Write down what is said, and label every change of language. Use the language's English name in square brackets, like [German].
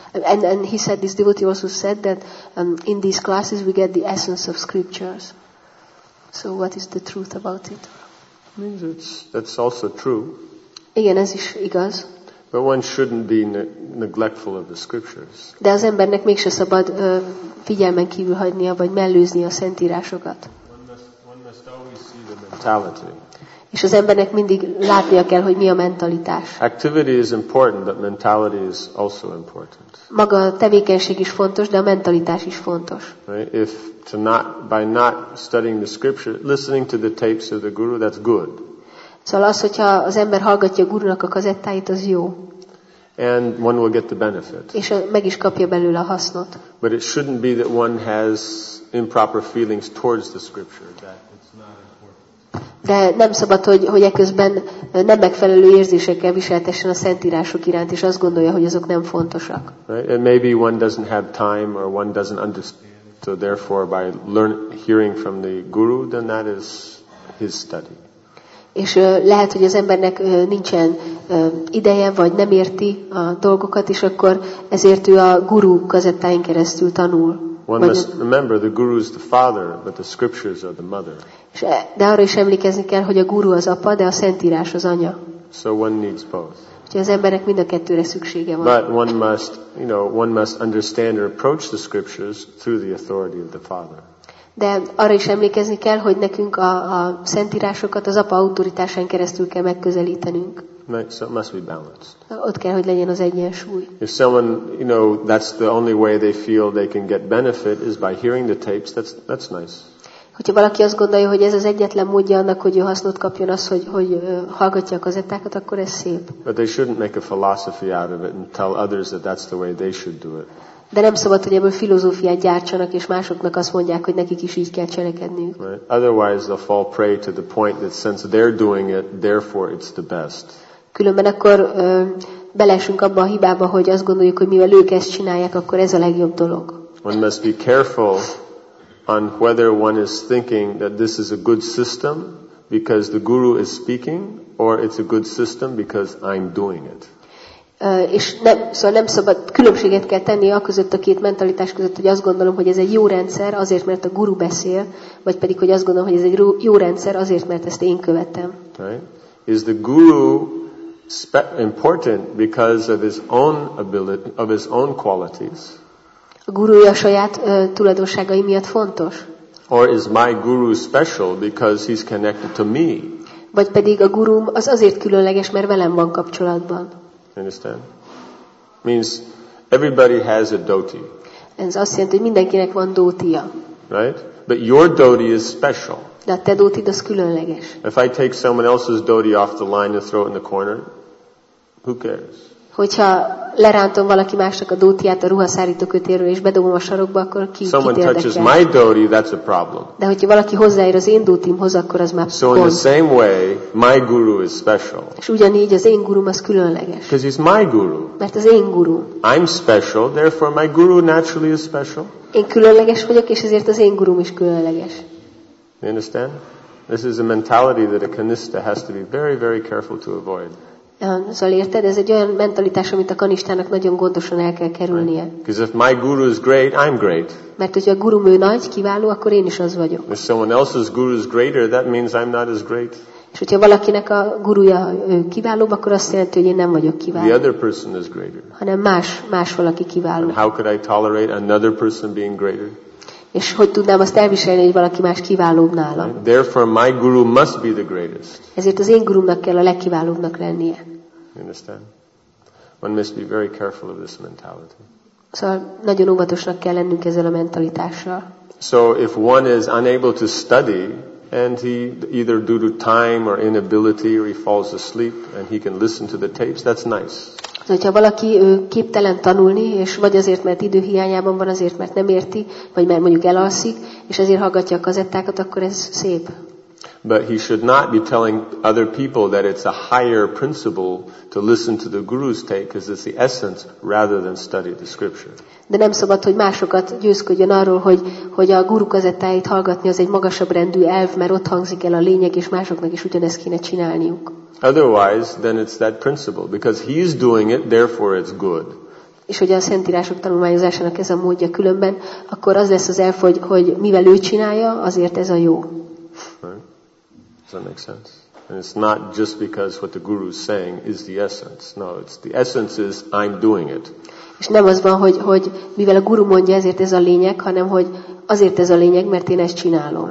[English] And he said, this devotee also said that in these classes we get the essence of scriptures. So what is the truth about it? Means that's also true. [Hungarian] Igen, ez is igaz. [English] But one shouldn't be neglectful of the scriptures. [Hungarian] De az embernek mégse szabad figyelmen kívül hagynia, vagy mellőzni a szentírásokat. [English] One must always see the mentality. [Hungarian] És az embernek mindig látnia kell, hogy mi a mentalitás. [English] Activity is important, but mentality is also important. [Hungarian] Maga a tevékenység is fontos, de a mentalitás is fontos. [English] Right? If to not by not studying the scripture, listening to the tapes of the guru, that's good. [Hungarian] Szóval az, hogyha az ember hallgatja a gurunak a kazettáit, az jó. [English] And one will get the benefit. [Hungarian] És meg is kapja belőle a hasznot. [English] But it shouldn't be that one has improper feelings towards the scripture. [Hungarian] De nem szabad, hogy eközben nem megfelelő érzésekkel viseltessen a szentírások iránt, és azt gondolja, hogy azok nem fontosak. [English] Right? And maybe one doesn't have time, or one doesn't understand. So therefore, by hearing from the guru, then that is his study. [Hungarian] És lehet, hogy az embernek nincsen ideje, vagy nem érti a dolgokat, és akkor ezért ő a guru kazettáin keresztül tanul. [English] One must remember the guru is the father, but the scriptures are the mother. [Hungarian] De arra is emlékezni kell, hogy a guru az apa, de a szentírás az anya. [English] So one needs both. [Hungarian] Úgyhogy az embernek mind a kettőre szüksége van. [English] But one must, you know, one must understand or approach the scriptures through the authority of the father. [Hungarian] De arra is emlékezni kell, hogy nekünk a szentírásokat az apa autoritásán keresztül kell megközelítenünk. [English] Right, so it must be balanced. [Hungarian] Ott kell, hogy legyen az egyensúly. [English] If someone, you know, that's the only way they feel they can get benefit is by hearing the tapes, that's nice. [Hungarian] Hogyha valaki azt gondolja, hogy ez az egyetlen módja annak, hogy ő hasznot kapjon az, hogy hallgatja a kazettákat, akkor ez szép. [English] But they shouldn't make a philosophy out of it and tell others that that's the way they should do it. [Hungarian] De nem szabad, hogy ebből filozófiát gyártsanak, és másoknak azt mondják, hogy nekik is így kell cselekedniük. [English] Right. Otherwise they'll fall prey to the point that since they're doing it, therefore it's the best. [Hungarian] Különben akkor beleesünk abba a hibába, hogy azt gondoljuk, hogy mivel ők ezt csinálják, akkor ez a legjobb dolog. [English] One must be careful on whether one is thinking that this is a good system because the guru is speaking, or it's a good system because I'm doing it. [Hungarian] És nem, szóval nem szabad különbséget kell tenni a között a két mentalitás között, hogy azt gondolom, hogy ez egy jó rendszer azért, mert a guru beszél, vagy pedig, hogy azt gondolom, hogy ez egy jó rendszer azért, mert ezt én követem. [English] Right. Is the guru important because of his own ability, of his own qualities? [Hungarian] A gurúja saját tulajdonságai miatt fontos? [English] Or is my guru special because he's connected to me? [Hungarian] Vagy pedig a gurúm az azért különleges, mert velem van kapcsolatban? [English] Understand? Means everybody has a dhoti. [Hungarian] Ez azt jelenti, hogy mindenkinek van dhotija. [English] Right? But your dhoti is special. [Hungarian] De a te dhotid az különleges. [English] If I take someone else's dhoti off the line and throw it in the corner, who cares? [Hungarian] Hogyha lerántom valaki másnak a dótiát a ruhaszárító kötéről és bedobom a sarokba, akkor ki érdekel? [English] Someone touches my dhoti, that's a problem. [Hungarian] De hogyha valaki hozzáér az én dhotimhoz, akkor az már [English] so [Hungarian] pont. [English] In the same way, my guru is special. [Hungarian] És ugyanígy az én gurum az különleges. [English] Because he's my guru. [Hungarian] Mert az én guru. [English] I'm special, therefore my guru naturally is special. [Hungarian] Én különleges vagyok, és ezért az én gurum is különleges. [English] You understand? This is a mentality that a kanista has to be very, very careful to avoid. [Hungarian] Szóval érted? Ez egy olyan mentalitás, amit a kanistának nagyon gondosan el kell kerülnie. [English] Because if my guru is great, I'm great. [Hungarian] Mert hogyha a gurum ő nagy, kiváló, akkor én is az vagyok. [English] If someone else's guru is greater, that means I'm not as great. [Hungarian] És hogyha valakinek a gurúja kiválóbb, akkor azt jelenti, hogy én nem vagyok kiváló. [English] The other person is greater. [Hungarian] Hanem más valaki kiváló. [English] And how could I tolerate another person being greater? [Hungarian] És hogy tudnám azt elviselni, hogy valaki más kiválóbb nálam? [English] Therefore my guru must be the greatest. [Hungarian] Ezért az én gurumnak kell a legkiválóbbnak lennie. [English] You understand? One must be very careful of this mentality. [Hungarian] Szóval nagyon óvatosnak kell lennünk ezzel a mentalitással. [English] So if one is unable to study and he either due to time or inability or he falls asleep and he can listen to the tapes, that's nice. [Hungarian] Hogyha valaki képtelen tanulni, és vagy azért, mert időhiányában van, azért, mert nem érti, vagy mert mondjuk elalszik, és ezért hallgatja a kazettákat, akkor ez szép. [English] But he should not be telling other people that it's a higher principle to listen to the guru's tape, because it's the essence rather than study the scripture. [Hungarian] De nem szabad, hogy másokat győzködjön arról, hogy a guru kazettáit hallgatni az egy magasabb rendű elv, mert ott hangzik el a lényeg, és másoknak is ugyanezt kéne csinálniuk. [English] Otherwise, then it's that principle, because he's doing it, therefore it's good. [Hungarian] És hogy a szentírások tanulmányozásának ez a módja különben, akkor az lesz az elf, hogy mivel ő csinálja, azért ez a jó. [English] Does that make sense? And it's not just because what the guru is saying is the essence. No, it's the essence is I'm doing it. [Hungarian] És nem az van, hogy mivel a guru mondja, ezért ez a lényeg, hanem hogy azért ez a lényeg, mert én ezt csinálom.